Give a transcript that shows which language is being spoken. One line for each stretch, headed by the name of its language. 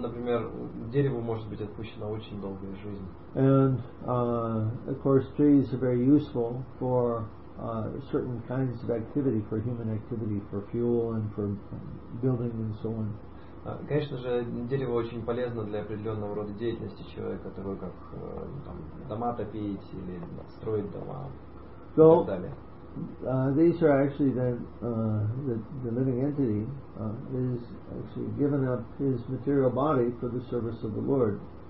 Russian: Например, дереву может быть отпущена очень долгая жизнь.
English: And of course, trees are very useful for certain kinds of activity, for human activity, for fuel and for building and so on.
Russian: Конечно же, дерево очень полезно для определенного рода деятельности человека, такой как там, дома топить или строить дома и так далее.
English: These are actually the living entity is actually given up his material body for the service of the Lord.